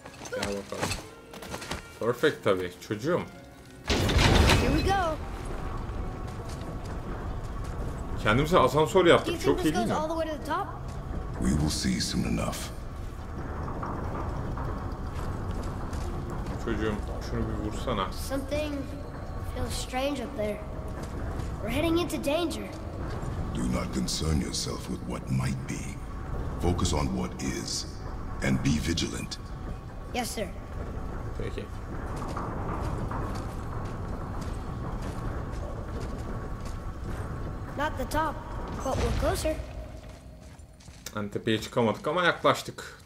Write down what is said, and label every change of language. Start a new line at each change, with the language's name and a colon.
Turkish: Gel bakalım. Perfect tabii. Çocuğum.
English: Here we go.
Turkish: Kendimize asansör yaptık. Çok iyi değil mi?
English: We will see soon enough.
Turkish: Çocuğum, şunu bir vursana.
English: Something feels strange up there. We're heading into danger. Do not concern yourself with what might be. Focus on what is and be vigilant. Yes, sir. Peki. Not the top, but we're closer.
Turkish: Yani tepeye çıkamadık ama yaklaştık.